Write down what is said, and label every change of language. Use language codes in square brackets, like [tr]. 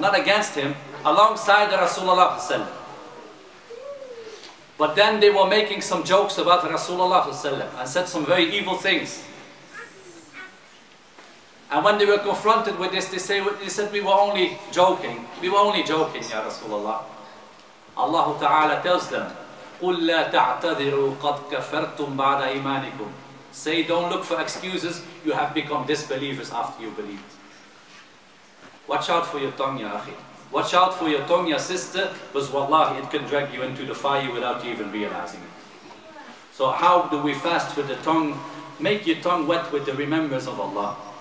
[en] Not against him, alongside Rasulullah sallam. But then they were making some jokes about Rasulullah and said some very evil things. And when they were confronted with this, they said, we were only joking. We were only joking, Ya Rasulullah. Allah Ta'ala tells them, [ar] قُلْ لَا تَعْتَذِرُوا قَدْ كَفَرْتُمْ بَعْدَ إِيمَانِكُمْ. [en] Say, don't look for excuses. You have become disbelievers after you believed. Watch out for your tongue, Ya Akhi. Watch out for your tongue, your sister, because wallahi, it can drag you into the fire without you even realizing it. So how do we fast with the tongue? Make your tongue wet with the remembrance of Allah.